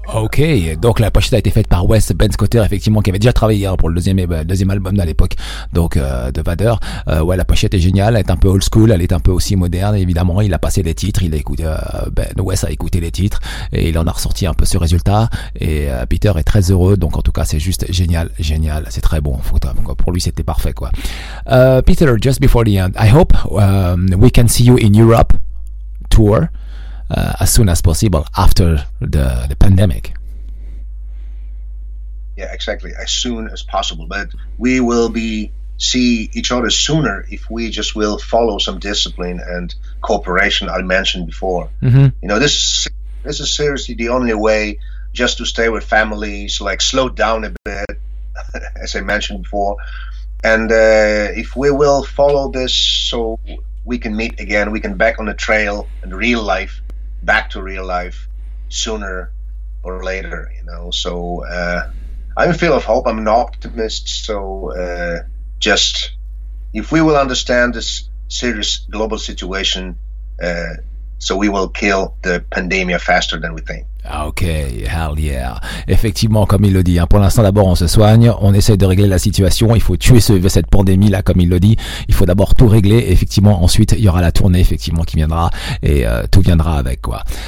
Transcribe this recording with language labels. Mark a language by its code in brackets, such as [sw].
[fr] Ok, donc la pochette a été faite par Wes Benscoter, effectivement, qui avait déjà travaillé pour le deuxième album à l'époque, donc de Vader. Ouais, la pochette est géniale, elle est un peu old school, elle est un peu aussi moderne, évidemment. Il a passé les titres, Wes a écouté les titres, et il en a ressorti un peu ce résultat, et Peter est très heureux. Donc en tout cas, c'est juste génial, génial, c'est très bon, pour lui c'était parfait quoi. [en] Peter, just before the end, I hope we can see you in Europe tour. As soon as possible after the pandemic. Yeah, exactly. As soon as possible. But we will see each other sooner if we just will follow some discipline and cooperation I mentioned before. You know, this is seriously the only way just to stay with families, like slow down a bit, as I mentioned before. And if we will follow this so we can meet again, we can back on the trail in real life, back to real life sooner or later, you know. So I'm full of hope, I'm an optimist, so just if we will understand this serious global situation, so we will kill the pandemic faster than we think. Ok, hell yeah. [fr] Effectivement, comme il le dit, hein, pour l'instant d'abord on se soigne, on essaie de régler la situation, il faut tuer cette pandémie là, comme il le dit, il faut d'abord tout régler, effectivement ensuite il y aura la tournée effectivement qui viendra, et tout viendra avec quoi.